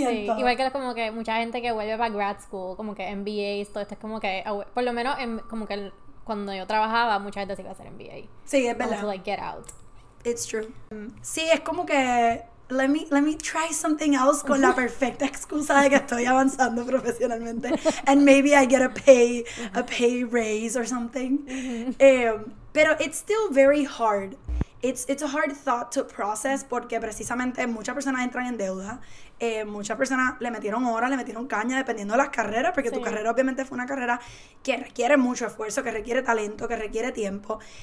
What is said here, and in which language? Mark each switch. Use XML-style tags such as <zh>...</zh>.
<es>Igual que es como que mucha gente que vuelve para grad school, como que MBAs, todo esto es como que, por lo menos en, como que cuando yo trabajaba, mucha gente se iba a hacer MBA. Sí, es verdad. Como</es> <en>to like get out. It's true.</en> <es>Sí, es como que,</es> <en>let me try something else</en> <es>con la perfecta excusa de que estoy avanzando profesionalmente.</es> <en>And maybe I get a pay raise or something.</en> <es>Pero</es> <en>it's still very hard. It's a hard thought to process</en> <es>porque precisamente muchas personas entran en deuda, muchas personas le metieron horas, le metieron caña dependiendo de las carreras, porque sí. Tu carrera obviamente fue una carrera que requiere mucho esfuerzo, que requiere talento, que requiere tiempo.</es>